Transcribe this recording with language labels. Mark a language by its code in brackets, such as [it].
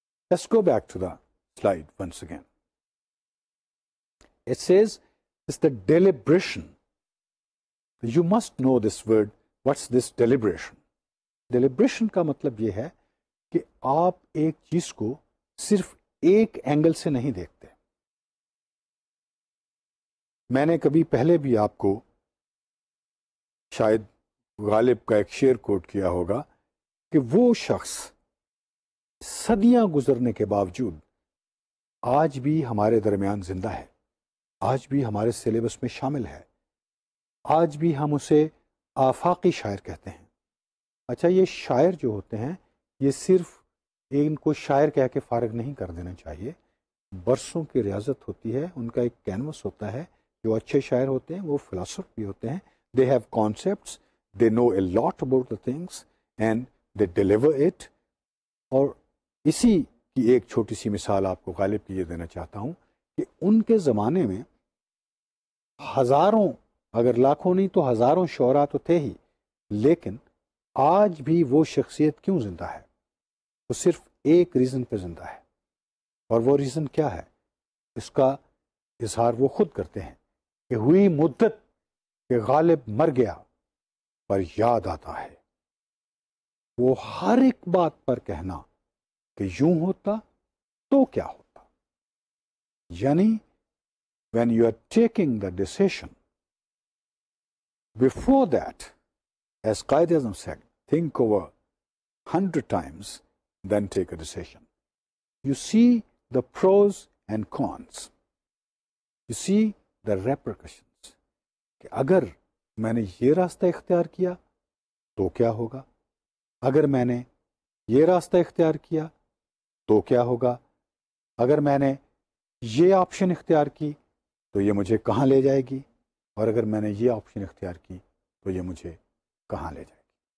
[en] Let's go back to the slide once again. It says it's the deliberation. You must know this word, what's this deliberation. [ur] Deliberation کا مطلب یہ ہے کہ آپ ایک چیز کو صرف ایک اینگل سے نہیں دیکھتے. میں نے کبھی پہلے بھی آپ کو شاید غالب کا ایک شعر کوٹ کیا ہوگا کہ وہ شخص صدیاں گزرنے کے باوجود آج بھی ہمارے درمیان زندہ ہے, آج بھی ہمارے سلیبس میں شامل ہے, آج بھی ہم اسے آفاقی شاعر کہتے ہیں. اچھا, یہ شاعر جو ہوتے ہیں یہ صرف ان کو شاعر کہہ کے فارغ نہیں کر دینا چاہیے. برسوں کی ریاضت ہوتی ہے, ان کا ایک کینوس ہوتا ہے. جو اچھے شاعر ہوتے ہیں وہ فلاسفر بھی ہوتے ہیں. [en] They have concepts, they know a lot about the things and they deliver it. [ur] اور اسی کی ایک چھوٹی سی مثال آپ کو غالب کی یہ دینا چاہتا ہوں کہ ان کے زمانے میں ہزاروں, اگر لاکھوں نہیں تو ہزاروں شعرا تو تھے ہی, لیکن آج بھی وہ شخصیت کیوں زندہ ہے؟ وہ صرف ایک ریزن پہ زندہ ہے. اور وہ ریزن کیا ہے؟ اس کا اظہار وہ خود کرتے ہیں کہ ہوئی مدت کہ غالب مر گیا پر یاد آتا ہے. وہ ہر ایک بات پر کہنا کہ یوں ہوتا تو کیا ہوتا. [en] یعنی when you are taking the decision, before that, as Qaid Azam said, think over 100 times, then take a decision. You see the pros and cons. You see the repercussions. [ur] کہ اگر میں نے یہ راستہ اختیار کیا تو کیا ہوگا, اگر میں نے یہ راستہ اختیار کیا تو کیا ہوگا, اگر میں نے یہ آپشن اختیار کی تو یہ مجھے کہاں لے جائے گی, اور اگر میں نے یہ آپشن اختیار کی تو یہ مجھے کہاں لے جائے گی.